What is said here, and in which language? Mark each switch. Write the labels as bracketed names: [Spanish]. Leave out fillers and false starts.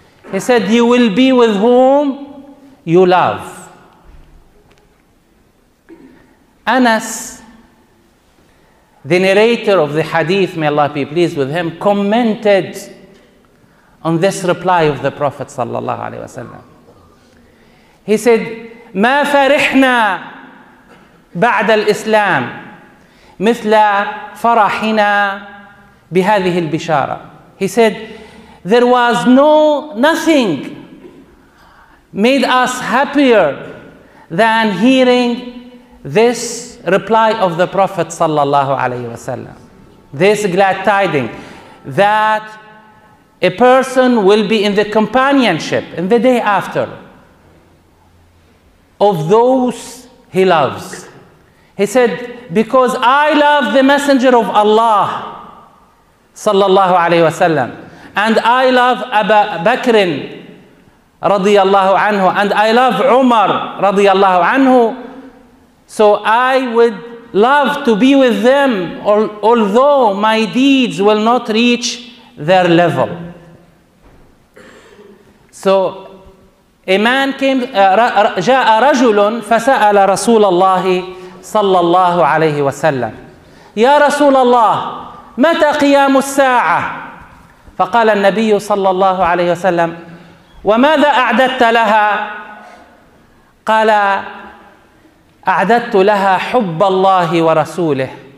[English] He said, you will be with whom you love. Anas, the narrator of the hadith, may Allah be pleased with him, commented on this reply of the Prophet sallallahu alayhi wasallam. He said, [Arabic] ما فرحنا بعد الإسلام مثل فرحنا بهذه البشارة. [English] He said, there was nothing made us happier than hearing this reply of the Prophet sallallahu alayhi wasallam. This glad tiding that a person will be in the companionship in the day after of those he loves. He said, because I love the Messenger of Allah sallallahu alayhi wasallam, and I love Abu Bakr radiyallahu anhu, and I love Umar radiyallahu anhu, so I would love to be with them, although my deeds will not reach their level. So a man came, [Arabic] جاء رجل فسأل رسول الله صلى الله عليه وسلم يا رسول الله متى قيام الساعة؟ فقال النبي صلى الله عليه وسلم وماذا أعددت لها؟ قال أعددت لها حب الله ورسوله.